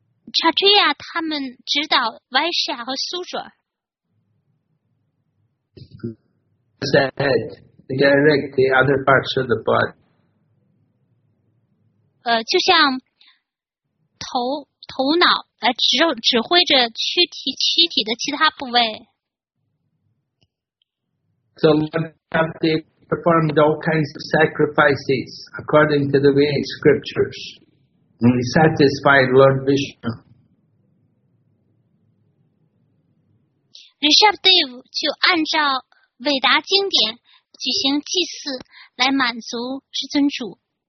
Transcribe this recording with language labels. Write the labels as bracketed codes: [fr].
[zh] Kshatriya 他们指导 Vaishya 和 Sutra. [en] The head, they direct the other parts of the body. [zh] 就像头脑。指挥着躯体的其他部位。 [en] So Lord Shakti performed all kinds of sacrifices according to the Vedic scriptures, and he satisfied Lord Vishnu. [zh] Rishabdev 就按照韦达经典举行祭祀来满足至尊主。